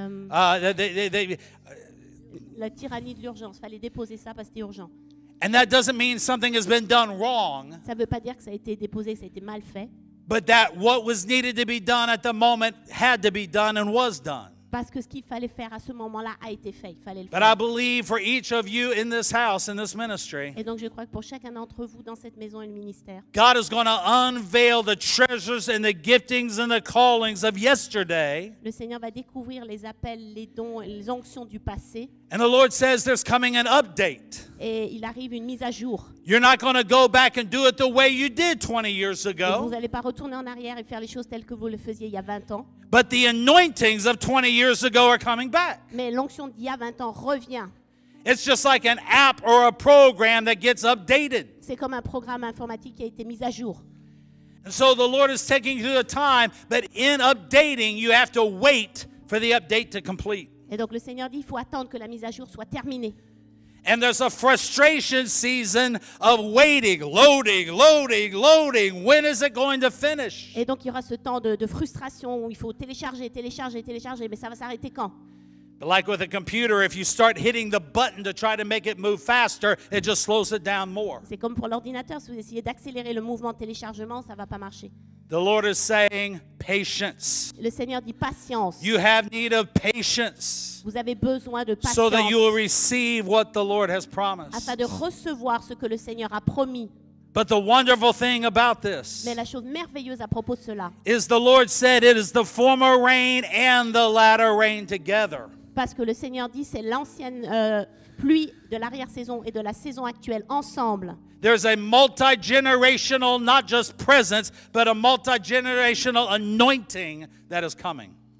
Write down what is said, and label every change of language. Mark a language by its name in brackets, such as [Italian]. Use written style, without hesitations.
[French] La tyrannie de l'urgence, il fallait déposer ça parce que c'était urgent. [English] And that doesn't mean something has been done wrong. [French] Ça veut pas dire que ça a été déposé, ça a été mal fait. [English] But that what was needed to be done at the moment had to be done and was done. [French] Parce que ce qu'il fallait faire à ce moment-là a été fait. Il fallait le [English] But [French] faire. [English] I believe for each of you in this house, in this ministry, [French] et donc je crois que pour chacun d'entre vous dans cette maison et le ministère, [English] God is going to unveil the treasures and the giftings and the callings of yesterday. [French] Le Seigneur va découvrir les appels, les dons, les onctions du passé. [English] And the Lord says there's coming an update. [French] Et il arrive une mise à jour. [English] You're not going to go back and do it the way you did 20 years ago. [French] Et vous n'allez pas retourner en arrière et faire les choses telles que vous le faisiez il y a 20 ans. [English] But the anointings of 20 years ago are coming back. [French] Mais l'onction d'il y a 20 ans revient. [English] It's just like an app or a program that gets updated. [French] C'est comme un programme informatique qui a été mis à jour. [English] And so the Lord is taking you the time, but in updating, you have to wait for the update to complete. [French] Et donc le Seigneur dit, il faut attendre que la mise à jour soit terminée. [English] And there's a frustration season of waiting, loading, loading, loading. When is it going to finish? [French] Et donc il y aura ce temps de frustration où il faut télécharger, télécharger, télécharger, mais ça va s'arrêter quand? [English] But like with a computer, if you start hitting the button to try to make it move faster, it just slows it down more. [French] C'est comme pour l'ordinateur, si vous essayez d'accélérer le mouvement de téléchargement, ça va pas marcher. [English] The Lord is saying patience. [French] Le Seigneur dit patience. [English] You have need of patience. [French] Vous avez besoin de patience. [English] So that you will receive what the Lord has promised. [French] Afin de recevoir ce que le Seigneur a promis. [English] But the wonderful thing about this. [French] Mais la chose merveilleuse à propos de cela. [English] Is the Lord said it is the former rain and the latter rain together. [French] Parce que le Seigneur dit c'est l'ancienne pluie de l'arrière-saison et de la saison actuelle ensemble. [English] There's a multi-generational, not just presence, but a multi-generational anointing that is coming.